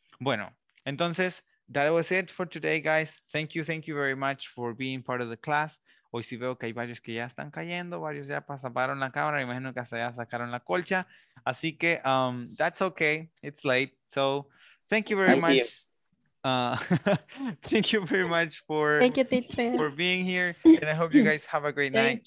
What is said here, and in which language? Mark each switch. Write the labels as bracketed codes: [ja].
[es] Bueno, entonces, [en] that was it for today, guys. Thank you very much for being part of the class. [es] Hoy sí veo que hay varios que ya están cayendo, varios ya pasaron la cámara, imagino que hasta ya sacaron la colcha. Así que, [en] that's okay, it's late. So, thank you very much. thank you very much for being here, and I hope you guys have a great night.